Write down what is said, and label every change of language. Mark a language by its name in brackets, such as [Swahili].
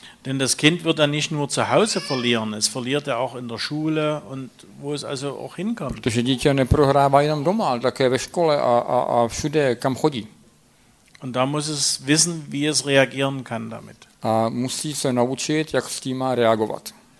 [German] Denn das Kind wird dann nicht nur zu Hause verlieren, es verliert ja auch in der Schule und wo es also auch hinkommt. [Czech] Protože dítě neprohrává jenom doma, ale také ve škole a všude, kam chodí. [German] Und da muss es wissen, wie es reagieren kann damit. [Czech] A musí se naučit, jak s tím má reagovat.